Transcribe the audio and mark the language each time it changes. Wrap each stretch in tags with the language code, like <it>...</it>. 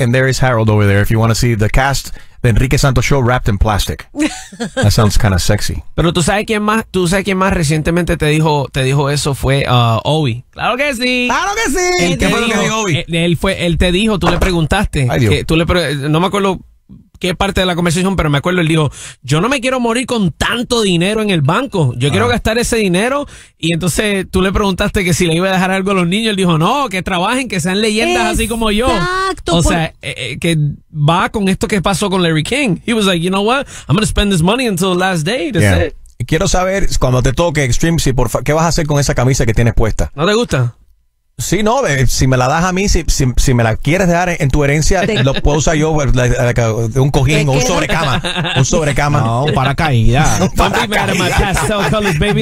<en>And there is Harold over there. If you want to see the cast, the Enrique Santos Show wrapped in plastic. That sounds kind of sexy.</en> <es>Pero tú sabes quién más recientemente te dijo eso fue Ovi. ¡Claro que sí! ¡Claro que sí! Él te dijo, tú le preguntaste. Ay, Dios. No me acuerdo qué parte de la conversación, pero me acuerdo, él dijo, yo no me quiero morir con tanto dinero en el banco, yo quiero gastar ese dinero. Y entonces tú le preguntaste que si le iba a dejar algo a los niños, él dijo, no, que trabajen, que sean leyendas. Exacto, así como yo. Exacto. Que va con esto que pasó con Larry King.</es> <en>He was like, you know what, I'm gonna spend this money until the last day.</en> <es>Quiero saber, cuando te toque Extreme, si por ¿qué vas a hacer con esa camisa que tienes puesta? ¿No te gusta? Sí, no, si me la das a mí, si me la quieres dejar en tu herencia, lo puedo usar yo de un cojín o un sobrecama. No, para caídas.</es> <en>Don't be mad at my pastel colors, baby.</en>